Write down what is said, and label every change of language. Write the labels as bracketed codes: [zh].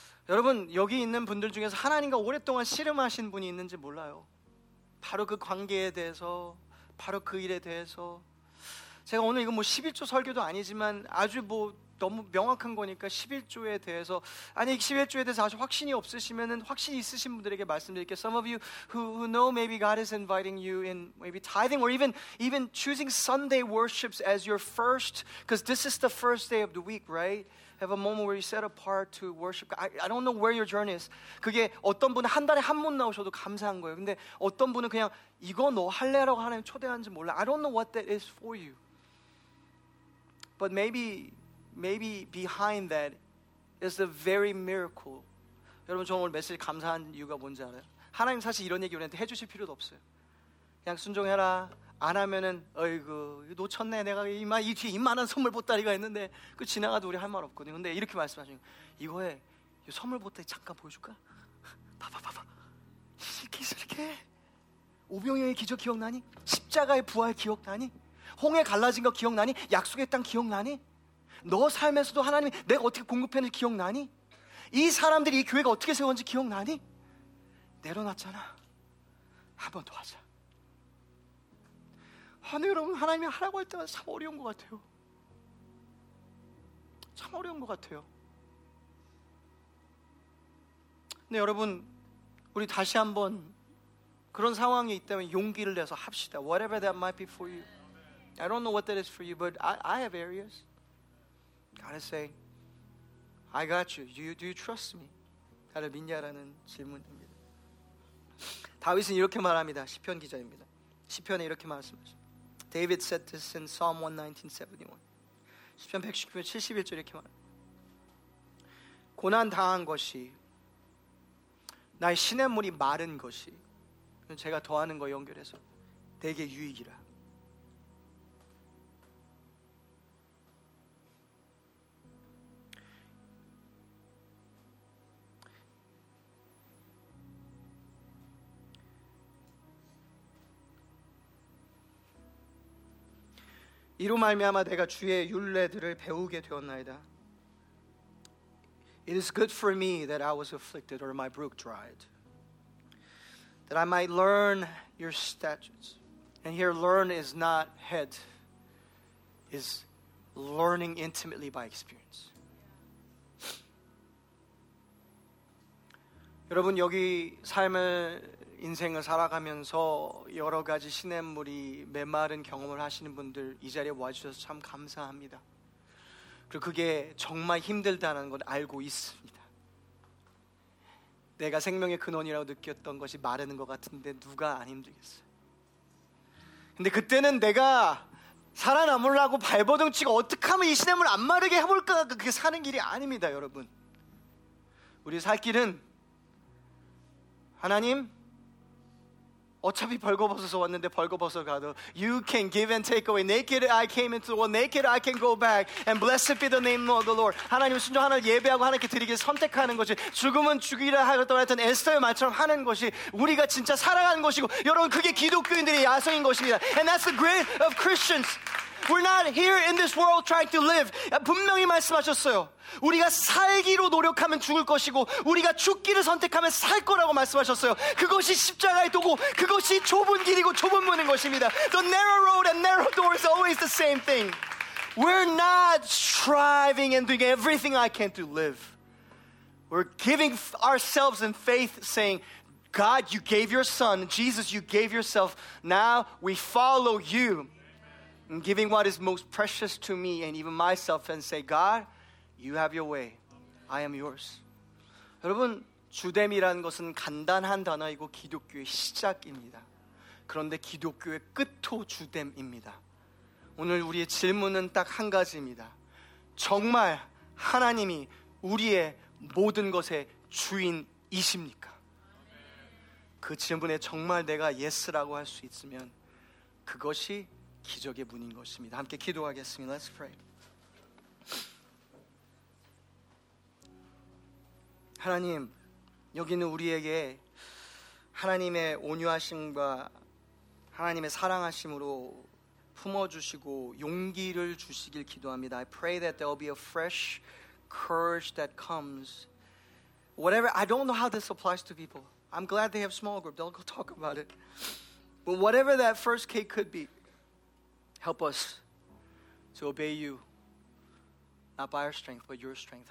[ko] 여러분 여기 있는 분들 중에서 하나님과 오랫동안 씨름하신 분이 있는지 몰라요. 바로 그 관계에 대해서, 바로 그 일에 대해서 제가 오늘 이거 뭐 11조 설교도 아니지만 아주 뭐 너무 명확한 거니까 11조에 대해서 아니 11조에 대해서 아주 확신이 없으시면은 확신이 있으신 분들에게 말씀드릴게요. [en] Some of you who know maybe God is inviting you in maybe tithing or even choosing Sunday worships as your first, because this is the first day of the week, right? Have a moment where you set apart to worship. I don't know where your journey is. [ko] 그게 어떤 분은 한 달에 한 번 나오셔도 감사한 거예요. 근데 어떤 분은 그냥 이거 너 할래라고 하나님 초대하는지 몰라. [en] I don't know what that is for you. But maybe behind that is a very miracle. [ko] 여러분 저 오늘 메시지 감사한 이유가 뭔지 알아요? 하나님 사실 이런 얘기 우리한테 해주실 필요도 없어요. 그냥 순종해라. 안 하면은 어이구 놓쳤네 내가 이 뒤에 이만한 선물 보따리가 있는데 그 지나가도 우리 할 말 없거든요. 근데 이렇게 말씀하시는 거예요. 이거에 이 선물 보따리 잠깐 보여줄까? 봐봐 이렇게 오병이의 기적 기억나니? 십자가의 부활 기억나니? 홍해 갈라진 거 기억나니? 약속의 땅 기억나니? 너 삶에서도 하나님이 내가 어떻게 공급했는지 기억나니? 이 사람들이 이 교회가 어떻게 세웠는지 기억나니? 내려놨잖아. 한번 더 하자. 아니 여러분 하나님이 하라고 할 때마다 참 어려운 것 같아요. 참 어려운 것 같아요. 근데 여러분 우리 다시 한번 그런 상황이 있다면 용기를 내서 합시다. [en] Whatever that might be for you. I don't know what that is for you, but I have areas. Gotta say, I got you. Do you trust me? [ko] 나를 믿냐라는 질문입니다. 다윗은 이렇게 말합니다. 시편 기자입니다. 시편에 이렇게 말씀하십니다. [en] David said this in Psalm 119:71. [ko] 시편 119편 71절 이렇게 말합니다. 고난 당한 것이 나의 신의 물이 마른 것이 제가 더하는 거 연결해서 내게 유익이라. 이로 말미암아 내가 주의 율례들을 배우게 되었나이다. [en] It is good for me that I was afflicted or my brook dried, that I might learn your statutes. And here learn is not head, is learning intimately by experience. [ko] 여러분 여기 삶을 인생을 살아가면서 여러 가지 시냇물이 메마른 경험을 하시는 분들 이 자리에 와주셔서 참 감사합니다. 그리고 그게 정말 힘들다는 걸 알고 있습니다. 내가 생명의 근원이라고 느꼈던 것이 마르는 것 같은데 누가 안 힘들겠어요. 근데 그때는 내가 살아남으려고 발버둥 치고 어떻게 하면 이 시냇물 안 마르게 해볼까 그게 사는 길이 아닙니다. 여러분 우리 살 길은 하나님 어차피 벌거벗어서 왔는데 벌거벗어 가도 [en] You can give and take away. Naked I came into the world. Naked I can go back. And blessed be the name of the Lord. [ko] 하나님 순종 하나님 예배하고 하나님께 드리기 선택하는 것이 죽음은 죽이라 하셨다고 했던 에스터의 말처럼 하는 것이 우리가 진짜 살아가는 것이고 여러분 그게 기독교인들의 야성인 것입니다. [en] And that's the grit of Christians. We're not here in this world trying to live. [ko] 분명히 말씀하셨어요. 우리가 살기로 노력하면 죽을 것이고 우리가 죽기를 선택하면 살 거라고 말씀하셨어요. 그것이 십자가의 도고 그것이 좁은 길이고 좁은 문인 것입니다. [en] The narrow road and narrow door is always the same thing. We're not striving and doing everything I can to live. We're giving ourselves in faith saying, God, you gave your son. Jesus, you gave yourself. Now we follow you. And giving what is most precious to me and even myself and say, God, you have your way. I am yours. [ko] 여러분, 주됨이라는 것은 간단한 단어이고 기독교의 시작입니다. 그런데 기독교의 끝도 주됨입니다. 오늘 우리의 질문은 딱 한 가지입니다. 정말 하나님이 우리의 모든 것의 주인이십니까? 그 질문에 정말 내가 예스라고 할 수 있으면 그것이 기적의 문인 것입니다. 함께 기도하겠습니다. [en] Let's pray. [ko] 하나님, 여기는 우리에게 하나님의 온유하심과 하나님의 사랑하심으로 품어주시고 용기를 주시길 기도합니다. [en] I pray that there will be a fresh courage that comes. Whatever, I don't know how this applies to people. I'm glad they have small group. They'll go talk about it. But whatever that first cake could be, help us to obey you, not by our strength, but your strength.